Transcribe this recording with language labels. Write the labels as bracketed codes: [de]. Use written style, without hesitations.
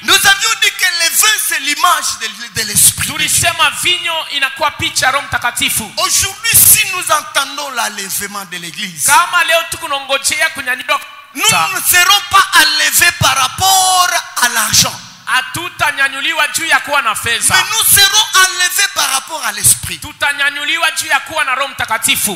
[fr] Nous avions dit que le vin c'est l'image de l'esprit. [sw] Tulisema vinyo inakuwa picha Roho Mtakatifu. [fr] Aujourd'hui si nous entendons l'enlèvement de l'église. [sw] Kama leo tukunongochea kunyanyuka. [fr] Nous ne serons pas enlevés par rapport à l'argent. [sw] Atutanyanyuliwa juu ya kuwa na fedha. [fr] Mais nous serons enlevés par rapport à l'esprit. [sw] Tutanyanyuliwa juu ya kuwa na Roho Mtakatifu.